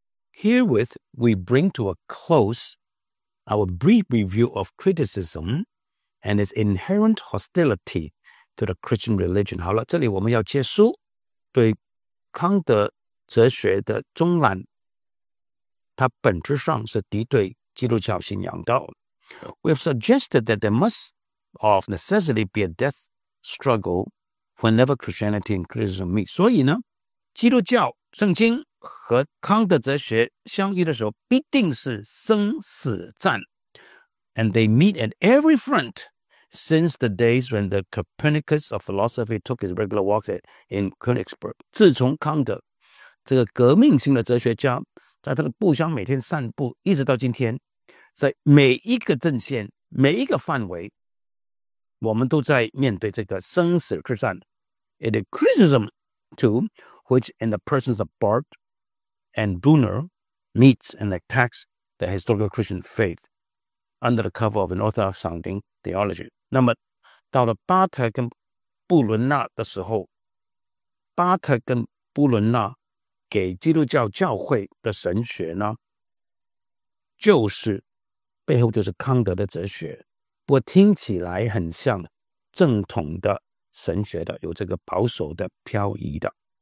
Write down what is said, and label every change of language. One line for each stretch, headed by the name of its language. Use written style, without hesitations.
English: Herewith we bring to a closeOur brief review of criticism and its inherent hostility to the Christian religion.
Chinese: 好了，这里我们要结束对康德哲学的中览，它本质上是敌对基督教信仰的。
English: We have suggested that there must of necessity be a death struggle whenever Christianity and criticism meet.
Chinese: 所以呢，基督教圣经和康德哲学相遇的时候必定是生死战。
English: And they meet at every front since the days when the Copernicus of philosophy took his regular walks in Königsberg.
Chinese: 自从康德这个革命性的哲学家在他的故乡每天散步，一直到今天，在每一个阵线每一个范围，我们都在面对这个生死之战。
English: It is criticism too which in the persons of BartAnd Brunner meets and attacks the historical Christian faith under the cover of an orthodox sounding theology.
Chinese: 那么到了巴特跟布伦纳的时候，巴特跟布伦纳给基督教教会的神学呢，就是背后就是康德的哲学，不过听起来很像正统的神学的，有这个保守的漂移的。